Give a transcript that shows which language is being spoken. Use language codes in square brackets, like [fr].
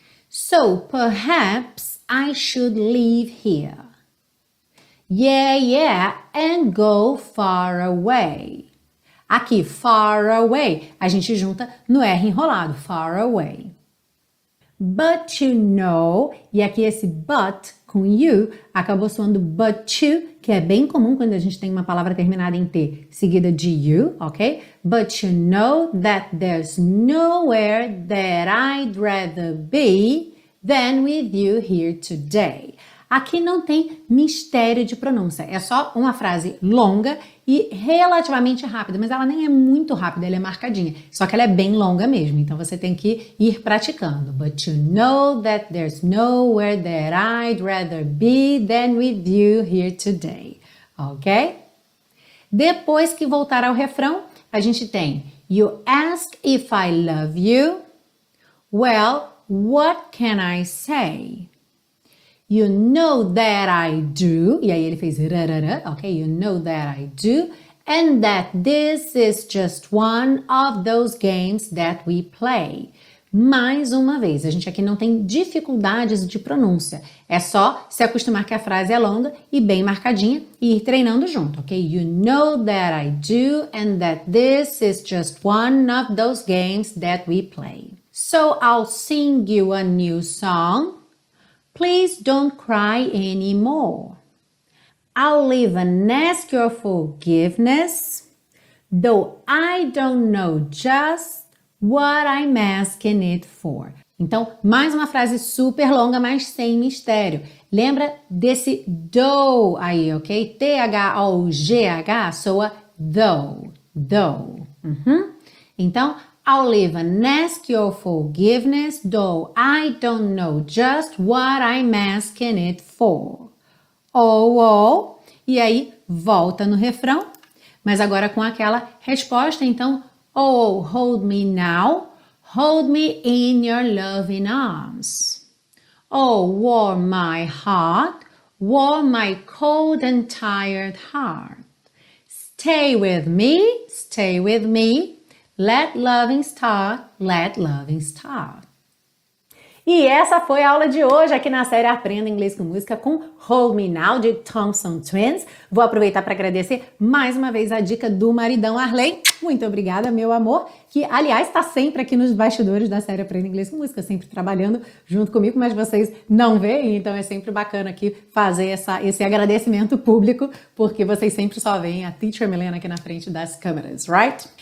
[en] So perhaps I should leave here. Yeah, yeah, and go far away. [pt] Aqui, [en] far away, [pt] a gente junta no R enrolado, far away. [en] But you know, [pt] e aqui esse but com you, acabou soando but you, que é bem comum quando a gente tem uma palavra terminada em T, seguida de you, ok? [en] But you know that there's nowhere that I'd rather be than with you here today. [pt] Aqui não tem mistério de pronúncia, é só uma frase longa e relativamente rápida, mas ela nem é muito rápida, ela é marcadinha, só que ela é bem longa mesmo, então você tem que ir praticando. [en] But you know that there's nowhere that I'd rather be than with you here today, ok? [pt] Depois que voltar ao refrão, a gente tem [en] you ask if I love you, well, what can I say? You know that I do, [pt] e aí ele fez rarara, [en] ok? You know that I do, and that this is just one of those games that we play. [pt] Mais uma vez, a gente aqui não tem dificuldades de pronúncia, é só se acostumar que a frase é longa e bem marcadinha e ir treinando junto, ok? [en] You know that I do, and that this is just one of those games that we play. So I'll sing you a new song. Please don't cry anymore. I'll even ask your forgiveness, though I don't know just what I'm asking it for. [pt] Então, mais uma frase super longa, mas sem mistério. Lembra desse though aí, ok? T-H-O-G-H soa though. Uhum. Então, [en] I'll even ask your forgiveness, though I don't know just what I'm asking it for. [pt] Oh, oh, e aí volta no refrão, mas agora com aquela resposta, então, oh, [en] hold me now, hold me in your loving arms. Oh, warm my heart, warm my cold and tired heart. Stay with me, stay with me. Let loving start, let loving start. [pt] E essa foi a aula de hoje aqui na série Aprenda Inglês com Música com Hold Me Now, de Thompson Twins. Vou aproveitar para agradecer mais uma vez a dica do maridão Arley. Muito obrigada, meu amor, que aliás está sempre aqui nos bastidores da série Aprenda Inglês com Música, sempre trabalhando junto comigo, mas vocês não veem, então é sempre bacana aqui fazer esse agradecimento público, porque vocês sempre só veem a Teacher Milena aqui na frente das câmeras, right?